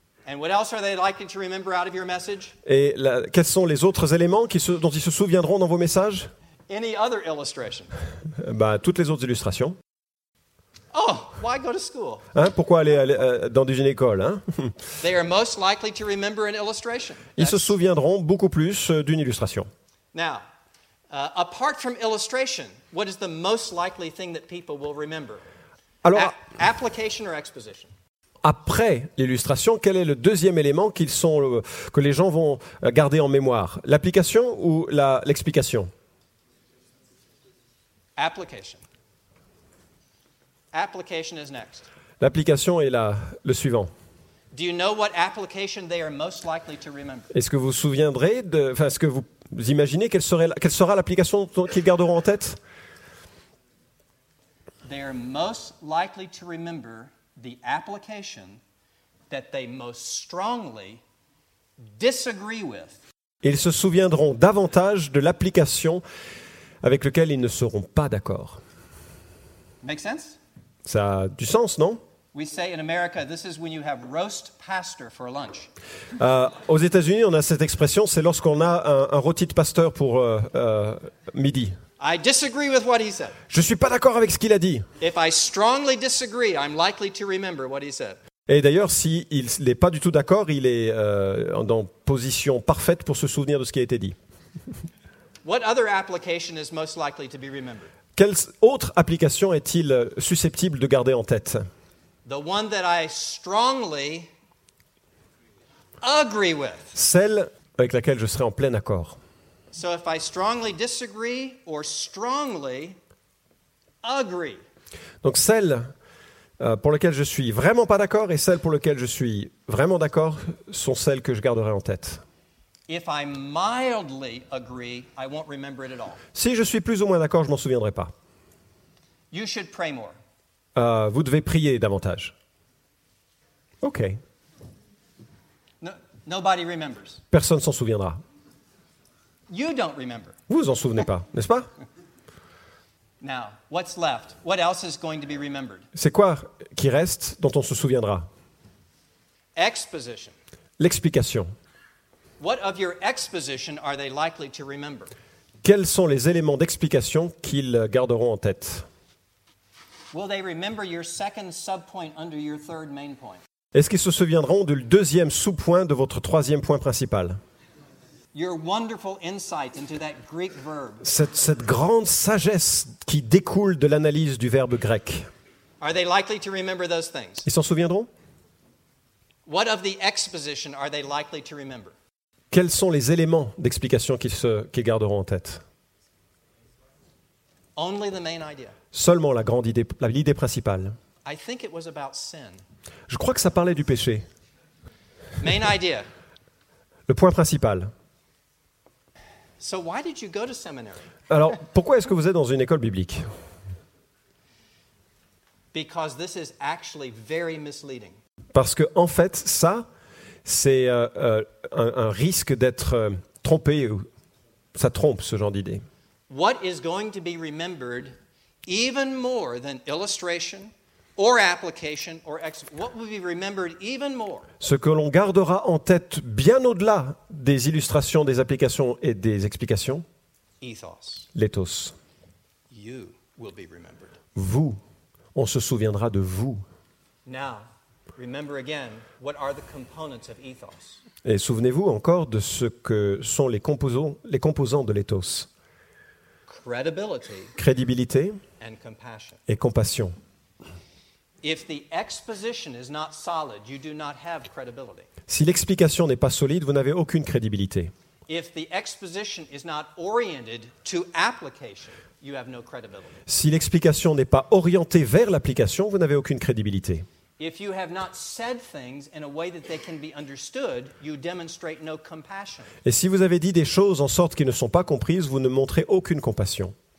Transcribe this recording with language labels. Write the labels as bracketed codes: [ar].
[en] And what else are they likely to remember out of your message? [fr] Et quels sont les autres éléments dont ils se souviendront dans vos messages? [en] Any other illustration? [fr] Bah, toutes les autres illustrations. [en] Oh, why go to school? [fr] Hein, pourquoi aller dans une école, hein? [en] They are most likely to remember an illustration. [fr] Ils se souviendront beaucoup plus d'une illustration. [en] Now, apart from illustration, what is the most likely thing that people will remember? [fr] Alors, [en] application or exposition? [fr] Après l'illustration, quel est le deuxième élément que les gens vont garder en mémoire? L'application ou l'explication? [en] Application. Application is next. [fr] L'application est le suivant. [en] Do you know what application they are most likely to remember? [fr] Est-ce que vous souviendrez est-ce que vous imaginez quelle sera l'application qu'ils garderont en tête? [en] They are most likely to remember the application that they most strongly disagree with. [fr] Ils se souviendront davantage de l'application avec laquelle ils ne seront pas d'accord. [en] Make sense? [fr] Ça a du sens, non? [en] We say in America, this is when you have roast pastor for lunch. [fr] Aux États-Unis, on a cette expression, c'est lorsqu'on a un rôti de pasteur pour midi. [en] I disagree with what he said. [fr] Je suis pas d'accord avec ce qu'il a dit. [en] If I strongly disagree, I'm likely to remember what he said. [fr] Et d'ailleurs, si il n'est pas du tout d'accord, il est dans position parfaite pour se souvenir de ce qui a été dit. [en] What other application is most likely to be remembered? [fr] Quelle autre application est-il susceptible de garder en tête? [en] The one that I strongly agree with. [fr] Celle avec laquelle je serai en plein accord. [en] So if I strongly disagree or strongly agree. [fr] Donc celle pour laquelle je suis vraiment pas d'accord et celle pour laquelle je suis vraiment d'accord sont celles que je garderai en tête. [en] If I mildly agree, I won't remember it at all. [fr] Si je suis plus ou moins d'accord, je m'en souviendrai pas. [en] You should pray more. [fr] Vous devez prier davantage. OK. [en] Nobody remembers. [fr] Personne s'en souviendra. [en] You don't remember. [fr] Vous en souvenez pas, n'est-ce pas? [en] Now, what's left? What else is going to be remembered? [fr] C'est quoi qui reste dont on se souviendra? [en] Exposition. [fr] L'explication. [en] What of your exposition are they likely to remember? [fr] Quels sont les éléments d'explication qu'ils garderont en tête? [en] Will they remember your second sub-point under your third main point? [fr] Est-ce qu'ils se souviendront du deuxième sous-point de votre troisième point principal? [en] Your wonderful insight into that Greek verb. [fr] Cette grande sagesse qui découle de l'analyse du verbe grec. [en] Are they likely to remember those things? [fr] Ils s'en souviendront? [en] What of the exposition are they likely to remember? [fr] Quels sont les éléments d'explication qu'ils garderont en tête? [en] Only the main idea. [fr] Seulement la grande idée, l'idée principale. [en] I think it was about sin. [fr] Je crois que ça parlait du péché. [en] Main idea. [fr] Le point principal. [en] So why did you go to seminary? [fr] Alors, pourquoi est-ce que vous êtes dans une école biblique? [en] Because this is actually very misleading. [fr] Parce que, en fait, ça, c'est un risque d'être trompé. Ça trompe, ce genre d'idée. [en] What is going to be remembered even more than illustration or application or what will be remembered even more? [fr] Ce que l'on gardera en tête bien au-delà des illustrations, des applications et des explications. [en] Ethos. [fr] L'éthos. [en] You will be remembered. [fr] Vous. On se souviendra de vous. [en] Now. Remember again, what are the components of ethos? [fr] Et souvenez-vous encore de ce que sont les composants de l'éthos. [en] Credibility. [fr] Crédibilité. [en] And compassion. [fr] Et compassion. [en] If the exposition is not solid, you do not have credibility. [fr] Si l'explication n'est pas solide, vous n'avez aucune crédibilité. [en] If the exposition is not oriented to application, you have no credibility. [fr] Si l'explication n'est pas orientée vers l'application, vous n'avez aucune crédibilité. [en] If you have not said things in a way that they can be understood, you demonstrate no compassion. [fr] Et si vous avez dit des choses en sorte qu'ils ne sont pas comprises, vous ne montrez aucune compassion.